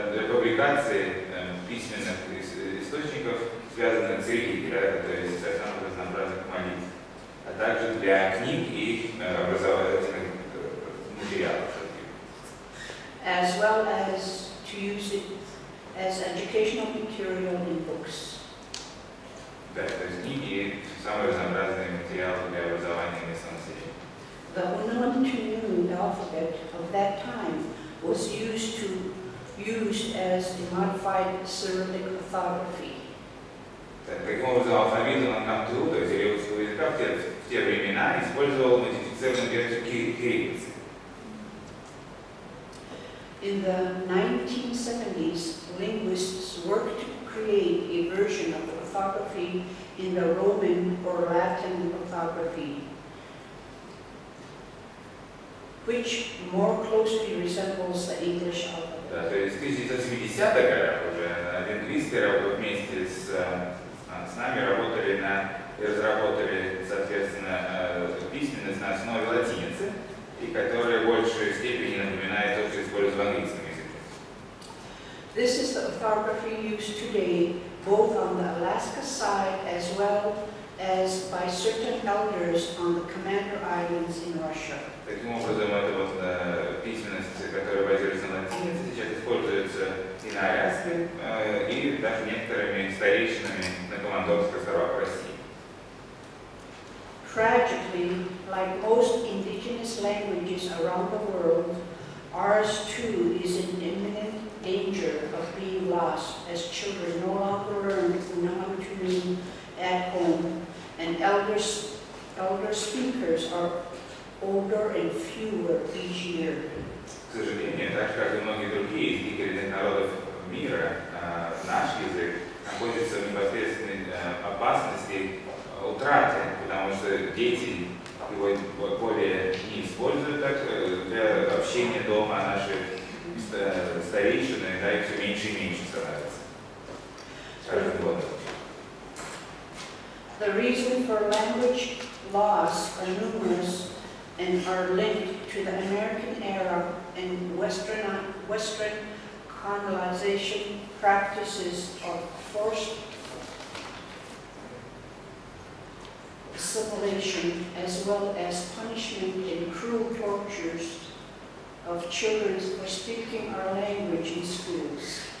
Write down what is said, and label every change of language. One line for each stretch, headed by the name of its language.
Russian: публикации письменных источников, связанных с религией, то есть со самым разнообразным молитвом, а также для книг и образовательных материалов.
English: As well as to use it as educational material in books.
Russian: Да, то есть книги и самые разнообразные материалы для образования местного населения.
English: The Unamah-Tinyurin alphabet of that time was used as a modified Cyrillic orthography.
Russian: Таким образом, алфавит Унамах-Ту, то есть алиутского языка, в те времена использовал модифицированную версию кириллицы.
English: In the 1970s, linguists worked to create a version of orthography in the Roman or Latin orthography, which more closely resembles the English alphabet.
Russian: Да, то есть в 1970-х годах уже лингвисты вместе с нами работали на и разработали, соответственно, письменность на основе латиницы, и которая в большей степени напоминает то, что используется в английском языке.
English: This is the orthography used today, both on the Alaska side as well as by certain elders on the Commander Islands in Russia.
Russian: Таким образом, эта вот письменность, которая базируется на латинице, сейчас используется и на Аляске, и даже некоторыми старейшинами на Командорских островах России.
English: Tragically, like most indigenous languages around the world, ours too is in imminent danger of being lost as children no longer learn Unamah-Tinyurin at home, and elder speakers are older and fewer each year.
Russian: К сожалению, так же, как и многие другие из дикоренных народов мира, наш язык находится в непосредственной опасности утраты, потому что дети его более не используют так для общения дома, а наши старейшины, да, их все меньше и меньше становится. Каждый год.
English: The reason for language loss are numerous and are linked to the American era and Western colonization practices of forced assimilation, as well as punishment and cruel tortures of children for speaking our language in schools.